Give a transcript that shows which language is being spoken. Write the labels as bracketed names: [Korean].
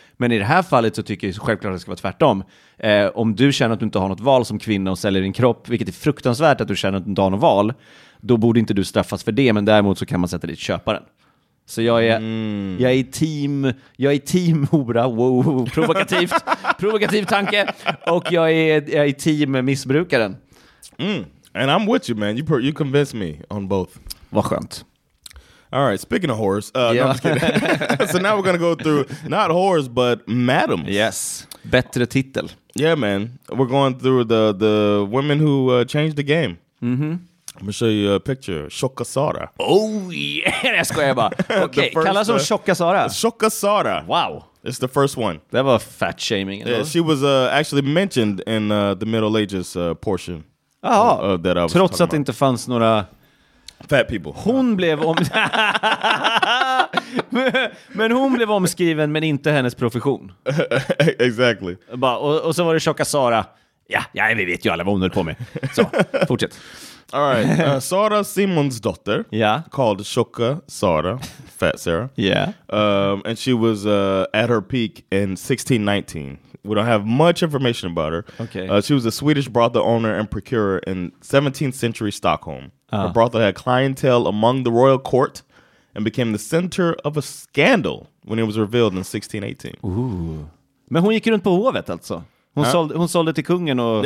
[Swedish] Men i det här fallet så tycker jag självklart att det ska vara tvärtom. Om du känner att du inte har något val som kvinna och säljer din kropp, vilket är fruktansvärt att du känner att du inte har något val, då borde inte du straffas för det. Men däremot så kan man sätta dit köparen. Så jag är, jag är team hora. Wow, provokativt. Provokativ tanke. Och jag är team missbrukaren. [English] And I'm with you, man. You convinced me on both. [Swedish] Vad skönt. [English] All right, speaking of whores, no, I'm just kidding. So now we're going to go through, not whores, but madams. Yes, [Swedish] bättre titel. [English] Yeah, man. We're going through the women who changed the game. Mm-hmm. I'm going to show you a picture. [Swedish] Tjocka Sara. [English] Oh, yeah. [Swedish] Jag skojar bara. Okej, kallas hon Tjocka Sara? Tjocka Sara. [English] Wow. It's the first one. That was fat shaming. Yeah, she was actually mentioned in the Middle Ages portion. Oh, that I was [Swedish] trots att det inte fanns några... [English] Fat people. [Swedish] Hon blev om... men hon blev omskriven, men inte hennes profession. [English] Exactly. [Swedish] Och så var det Tjocka Sara. Ja, vi vet ju alla vad hon höll på med. Så, fortsätt. [English] All right. Sara Simons dotter. [Swedish] Ja. [English] Called Tjocka Sara. Fat Sara. Yeah. And she was at her peak in 1619. We don't have much information about her. Okay. She was a Swedish brothel owner and procurer in 17th century Stockholm. Her brothel had clientele among the royal court and became the center of a scandal when it was revealed in 1618. Ooh. [Swedish] Men hon gick runt på hovet alltså. Hon sålde till kungen och...